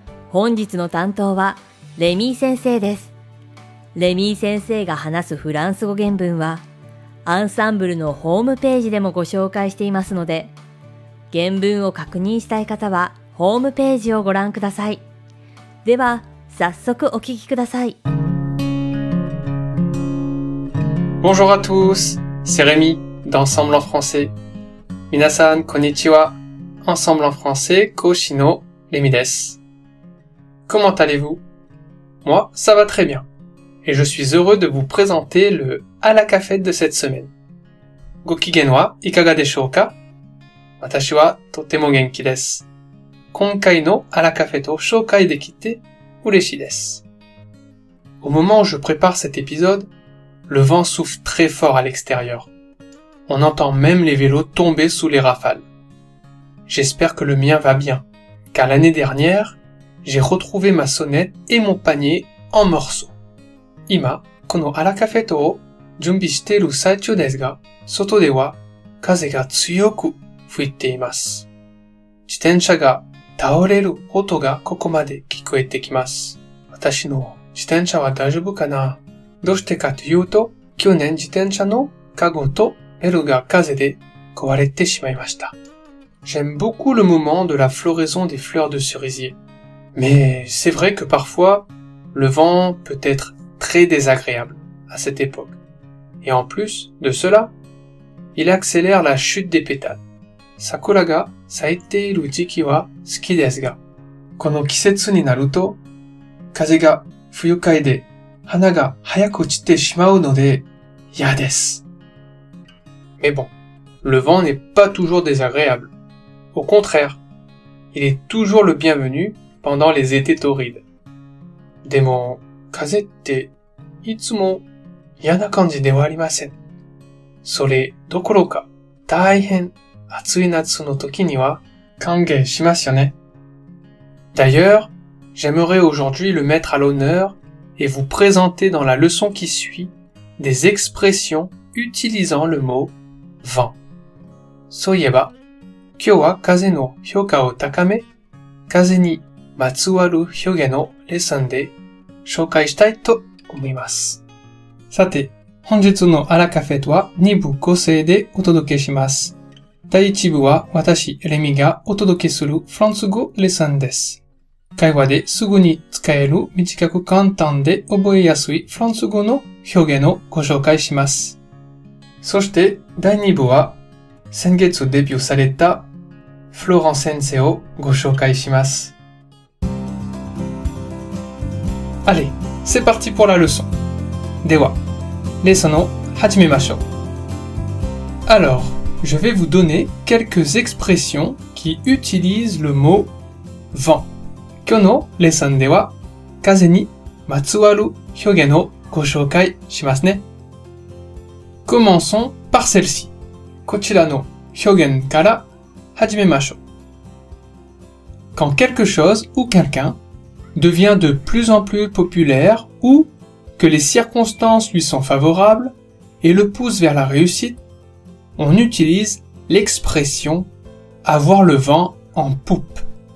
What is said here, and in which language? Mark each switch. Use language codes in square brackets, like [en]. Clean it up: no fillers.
[ja] 本日の担当はレミー先生です。レミー先生が話すフランス語原文はアンサンブルのホームページでもご紹介していますので、原文を確認したい方はホームページをご覧ください。では早速お聞きください。 [fr] Bonjour à tous, c'est Rémi d'Ensemble en français. [ja] 皆さん、こんにちは。 Ensemble en français, 講師のレミです。 [fr] Comment allez-vous? Moi, ça va très bien. Et je suis heureux de vous présenter le à la cafette de cette semaine. [ja] ご機嫌はいかがでしょうか?私はとても元気です。今回のあらカフェと紹介できて嬉しいです。 [fr] Au moment où je prépare cet épisode,Le vent souffle très fort à l'extérieur. On entend même les vélos tomber sous les rafales. J'espère que le mien va bien, car l'année dernière, j'ai retrouvé ma sonnette et mon panier en morceaux. [ja] 今、このアラカフェットを準備している最中ですが、外では風が強く吹いています。自転車が倒れる音がここまで聞こえてきます。私の自転車は大丈夫かな?どうしてかというと、去年自転車のカゴとベルが風で壊れてしまいました。 [fr] J'aime beaucoup le moment de la floraison des fleurs de cerisier. Mais c'est vrai que parfois, le vent peut être très désagréable à cette époque. Et en plus de cela, il accélère la chute des pétales. [ja] 桜が咲いている時期は好きですが、この季節になると、風が不愉快で、花が早く散ってしまうので、嫌です。 [fr] Mais bon, le vent n'est pas toujours désagréable. Au contraire, il est toujours le bienvenu pendant les étés torrides. [ja] でも、風っていつも嫌な感じではありません。それどころか、大変暑い夏の時には歓迎しますよね。 [fr] D'ailleurs, j'aimerais aujourd'hui le mettre à l'honneuret vous présenter dans la leçon qui suit des expressions utilisant le mot « vent ». [ja] そういえば、今日は風の評価を高め、風にまつわる表現のレッスンで紹介したいと思います。さて、本日のアラカフェとは2部構成でお届けします。第1部は私、レミがお届けするフランス語レッスンです。会話ですぐに使える短く簡単で覚えやすいフランス語の表現をご紹介します。そして第2部は先月デビューされたフローラン先生をご紹介します。 [fr] Allez, c'est parti pour la leçon. [ja] では、レッスンを始めましょう。 [fr] Alors, je vais vous donner quelques expressions qui utilisent le mot vent. [ja] 今日のレッスンでは、風にまつわる表現をご紹介しますね。 [fr] Commençons par celle-ci。 [ja] こちらの表現から始めましょう。 [fr] Quand quelque chose ou quelqu'un devient de plus en plus populaire ou que les circonstances lui sont favorables et le poussent vers la réussite, on utilise l'expression « avoir le vent en poupe ».